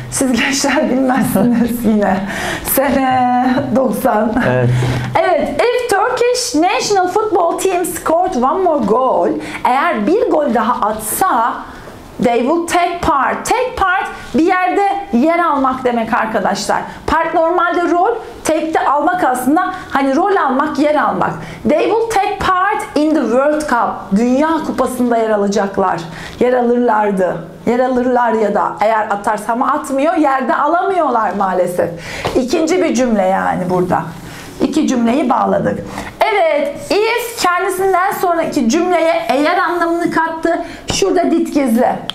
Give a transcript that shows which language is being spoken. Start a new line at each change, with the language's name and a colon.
Turkish: Siz gençler bilmezsiniz yine. Sene 90. Evet.
English: Evet. If Turkish National Football Team scored one more goal,
Turkish: eğer bir gol daha atsa
English: they will take part.
Turkish: Take part bir yerde yer almak demek arkadaşlar. Part normalde rol, take de almak aslında. Hani rol almak, yer almak.
English: They will take part in the World Cup.
Turkish: Dünya Kupası'nda yer alacaklar. Yer alırlardı. Yer alırlar ya da eğer atarsa ama atmıyor. Yerde alamıyorlar maalesef. İkinci bir cümle yani burada. İki cümleyi bağladık. Evet, if kendisinden sonraki cümleye eğer anlamını kattı. Şurada dit gizli.